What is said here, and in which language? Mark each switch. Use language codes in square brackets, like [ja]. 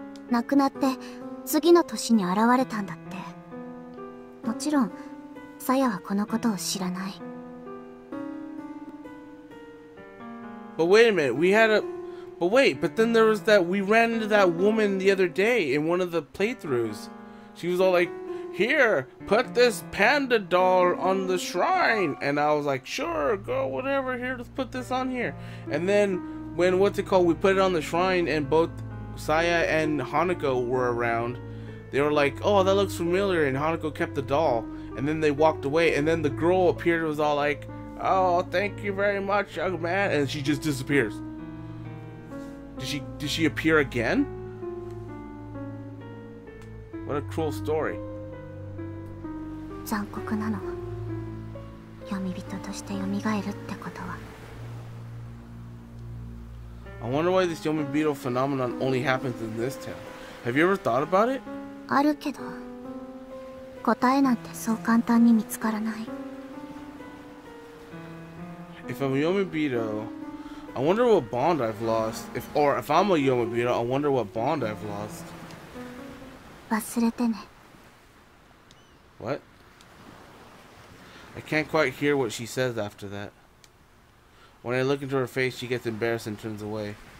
[ja] 亡くなって次の年に現れたんだって。もちろんさやはこのことを知らない。 [en] But wait a minute, but then there was that, we ran into that woman the other day in one of the playthroughs. She was all like, here, put this panda doll on the shrine, and I was like, sure, girl, whatever, here, let's put this on here. And then when, what's it called, we put it on the shrine and bothSaya and Hanako were around. They were like, oh, that looks familiar. And Hanako kept the doll. And then they walked away. And then the girl appeared and was all like, oh, thank you very much, young man. And she just disappears. Did she appear again? What a cruel story. [ja] 残酷なの。読み人として蘇るってことは。 [en] I wonder why this Yomibito phenomenon only happens in this town. Have you ever thought about it? [ja] あるけど、答えなんてそう簡単に見つからない。 [en] If I'm a Yomibito, I wonder what bond I've lost. If I'm a Yomibito, I wonder what bond I've lost. [ja] 忘れてね。 [en] What? I can't quite hear what she says after that. When I look into her face, she gets embarrassed and turns away.